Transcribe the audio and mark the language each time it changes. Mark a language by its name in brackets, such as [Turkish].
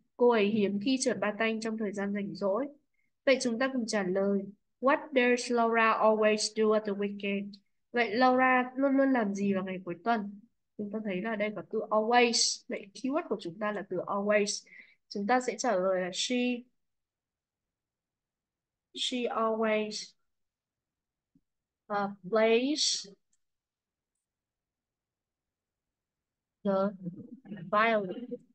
[Vietnamese] Cô ấy hiếm khi trượt ba tanh trong thời gian rảnh rỗi. Vậy chúng ta cùng trả lời. [English] What does Laura always do at the weekend? [Vietnamese] Vậy Laura luôn luôn làm gì vào ngày cuối tuần? Chúng ta thấy là đây có từ always. Vậy keyword của chúng ta là từ always. Chúng ta sẽ trả lời là [English] she always plays the violin.